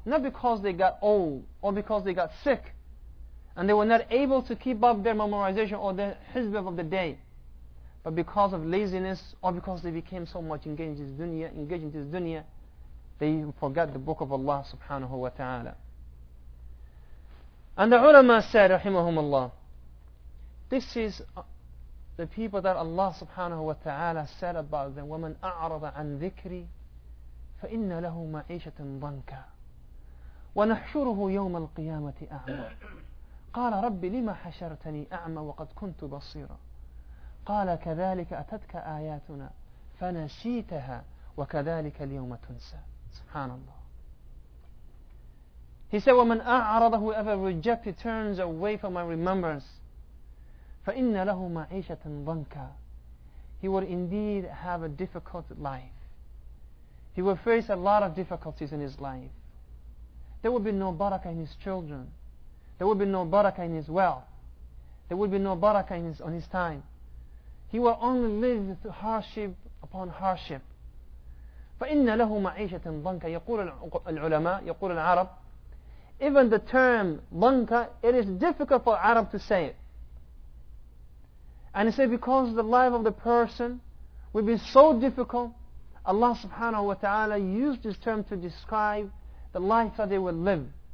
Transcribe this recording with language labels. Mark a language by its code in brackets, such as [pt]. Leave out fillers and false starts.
[en] Not because they got old or because they got sick and they were not able to keep up their memorization or their hizbah of the day, but because of laziness or because they became so much engaged in this dunya, they forgot the book of Allah subhanahu wa ta'ala. And the ulama said, rahimahumullah, this is the people that Allah subhanahu wa ta'ala said about them, [ar] وَمَنْ أَعْرَضَ عَنْ ذِكْرِي فَإِنَّ لَهُ مَعِيشَةٍ ضَنْكَ وَنَحْشُرُهُ يَوْمَ الْقِيَامَةِ أَعْمَى قال ربي لما حشرتني أعمى وقد كنت بصيرا قال كذلك أتتك آياتنا فنسيتها وكذلك اليوم تنسى. سبحان الله. [en] He said, [ar] وَمَنْ أَعْرَضَ [en] whoever rejected turns away from my remembrance [ar] فَإِنَّ لَهُ مَعِيشَةً ضَنْكَ [en] he would indeed have a difficult life. He would face a lot of difficulties in his life. There would be no barakah in his children. There would be no barakah in his wealth. There would be no barakah on his time. He will only live through hardship upon hardship. [ar] فَإِنَّ لَهُ مَعِيشَةً ضَنْكَ يقول العلماء يقول العرب. [en] Even the term ضَنْكَ, it is difficult for Arab to say it. And he said, because the life of the person will be so difficult, Allah subhanahu wa ta'ala used this term to describe the life that they will live.